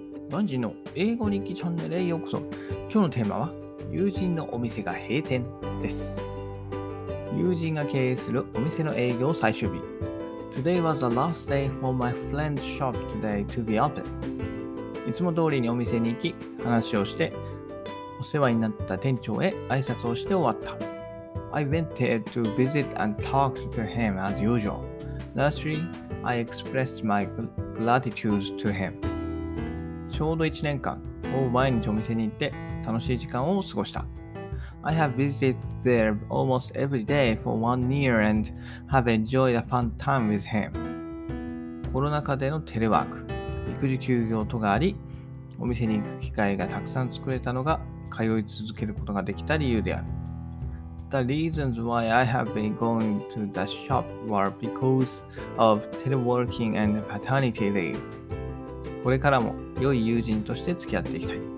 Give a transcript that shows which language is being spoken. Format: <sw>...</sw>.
<ja>ロンジの英語日記チャンネルへようこそ。今日のテーマは友人のお店が閉店です。友人が経営するお店の営業最終日。</ja> <en>Today was the last day for my friend's shop today to be open。</en> <ja>いつも通りにお店に行き話をして、お世話になった店長へ挨拶をして終わった。</ja> <en>I went there to visit and talk to him as usual. Lastly, I expressed my gratitude to him.</en> <ja>ちょうど1年間、ほぼ毎日お店に行って楽しい時間を過ごした。</ja> <en>I have visited there almost every day for 1 year and have enjoyed a fun time with him.</en> <ja>コロナ禍でのテレワーク、育児休業とがあり、お店に行く機会がたくさん作れたのが通い続けることができた理由である。</ja> <en>The reasons why I have been going to the shop were because of teleworking and paternity leave.</en> <ja>これからも良い友人として付き合っていきたい。</ja>